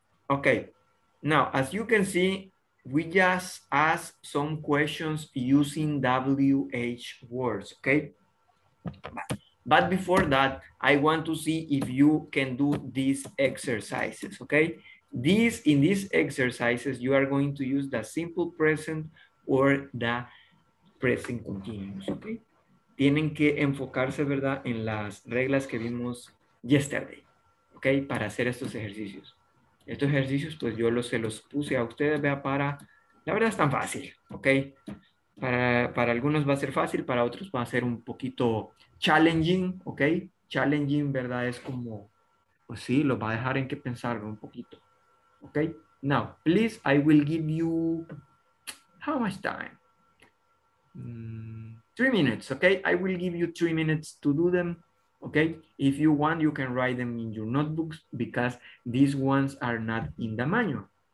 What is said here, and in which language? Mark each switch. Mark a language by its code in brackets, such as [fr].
[en] Okay, now, as you can see, we just asked some questions using WH words, okay? But before that, I want to see if you can do these exercises, okay? In these exercises, you are going to use the simple present or the present continuous, okay? [es] Tienen que enfocarse, ¿verdad?, en las reglas que vimos yesterday, okay? Para hacer estos ejercicios. Estos ejercicios, pues yo se los puse a ustedes, vea, para, la verdad es tan fácil, okay? Para algunos va a ser fácil, para otros va a ser un poquito challenging, okay? Challenging, ¿verdad?, es como, pues sí, lo va a dejar en que pensar un poquito. [en] Okay, now, please, I will give you how much time? 3 minutes, okay? I will give you 3 minutes to do them, okay? If you want, you can write them in your notebooks because these ones are not in the manual.